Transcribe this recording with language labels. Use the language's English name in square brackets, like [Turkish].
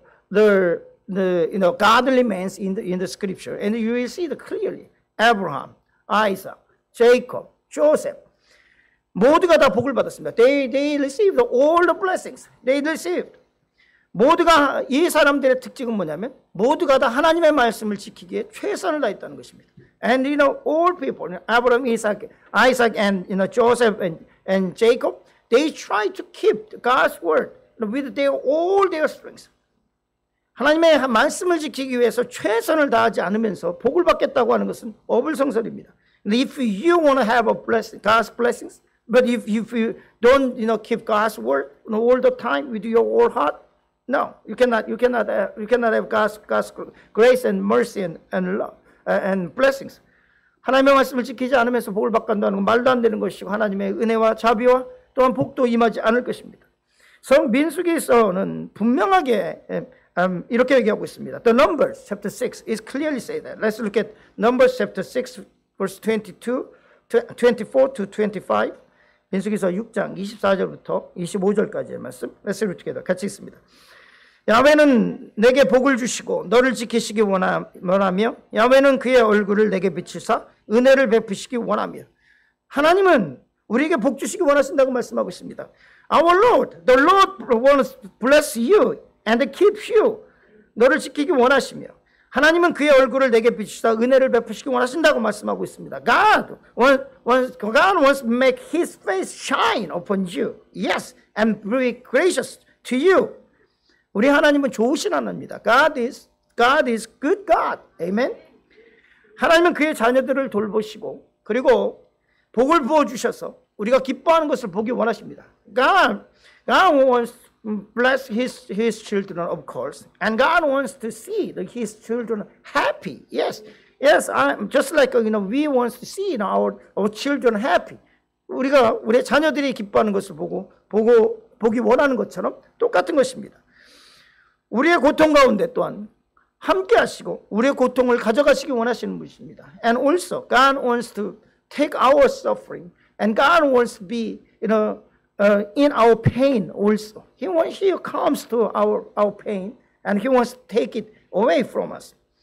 [English] If you look at godly men in the scripture and you will see the clearly Abraham, Isaac, Jacob, Joseph [Korean] 모두가 다 복을 받았습니다. [English] They received all the blessings. They received. [Korean] 모두가 이 사람들의 특징은 뭐냐면 모두가 다 하나님의 말씀을 지키기에 최선을 다했다는 것입니다. [English] And you know all people, Abraham, Isaac and you know Joseph and Jacob, they tried to keep God's word with all their strengths. [Korean] 하나님의 말씀을 지키기 위해서 최선을 다하지 않으면서 복을 받겠다고 하는 것은 어불성설입니다. [English] If you want to have a blessing, God's blessings, but if you don't, you know, keep God's word all the time with your whole heart, no, you cannot have God's grace and mercy and love and blessings. [Korean] 하나님의 말씀을 지키지 않으면서 복을 받는다는 건 말도 안 되는 것이고 하나님의 은혜와 자비와 또한 복도 임하지 않을 것입니다. 성 민수기에서는 분명하게 이렇게 얘기하고 있습니다. [English] The Numbers chapter 6 is clearly say that. Let's look at Numbers chapter 6 verse 24 to 25. [Korean] 민수기서 6장 24절부터 25절까지의 말씀. [English] Let's read together. [Korean] 같이 읽습니다. 야훼는 내게 복을 주시고 너를 지키시기 원하며 야훼는 그의 얼굴을 내게 비추사 은혜를 베푸시기 원하며 하나님은 우리에게 복 주시기 원하신다고 말씀하고 있습니다. [English] Our Lord, the Lord wants to bless you. And keep you, [Korean] 너를 지키기 원하시며 하나님은 그의 얼굴을 내게 비추사 은혜를 베푸시기 원하신다고 말씀하고 있습니다. [English] God wants to make His face shine upon you, yes, and be gracious to you. [Korean] 우리 하나님은 좋으신 하나님입니다. [English] God is good God. Amen. [Korean] 하나님은 그의 자녀들을 돌보시고 그리고 복을 부어 주셔서 우리가 기뻐하는 것을 보기 원하십니다. [English] God wants bless his children, of course. And God wants to see his children happy. Yes, yes. I'm just like you know. We want to see our children happy. [Korean] 우리가 우리 자녀들이 기뻐하는 것을 보기 원하는 것처럼 똑같은 것입니다. 우리의 고통 가운데 또한 함께하시고 우리의 고통을 가져가시기 원하시는 분이십니다. [English] And also, God wants to take our suffering. And God wants to be you know. In our pain also. He comes to our pain and he wants to take it away from us.